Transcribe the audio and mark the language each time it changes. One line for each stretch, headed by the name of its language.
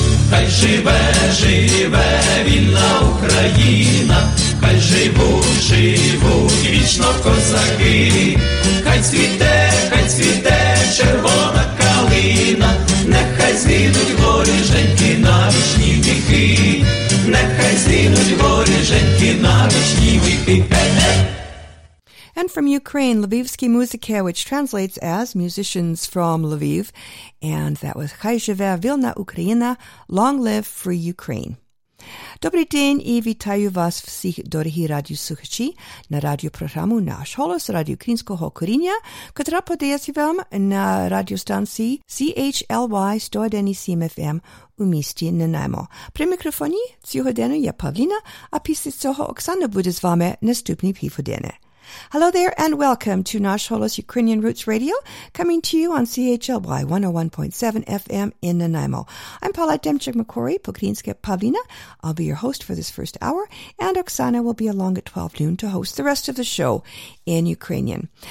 Ukrainian: Хай живе, живе вільна Україна, хай живуть, живуть вічно козаки. Хай цвіте червона калина, нехай згинуть воріженьки на вічні віки. Нехай згинуть воріженьки на вічні віки.
English: And from Ukraine, Lvivsky Muzika, which translates as Musicians from Lviv, and that was
Ukrainian: Хай живе вільна Україна,
English: Long live free Ukraine.
Ukrainian: Добрий день і вітаю вас всіх, дорогі радіослухачі, на радіопрограму «Наш голос» Радіо Українського коріння, котра подається вам на радіостанції CHLY 107 FM у місті Нанаймо. При мікрофоні цього дня я Павліна, а після цього Оксана буде з вами наступні півгодини.
English: Hello there and welcome to Nash Holos Ukrainian Roots Radio, coming to you on CHLY 101.7 FM in Nanaimo. I'm Paula Demchuk-McCory, Pokrinska Pavlina. I'll be your host for this first hour, and Oksana will be along at 12 noon to host the rest of the show in Ukrainian.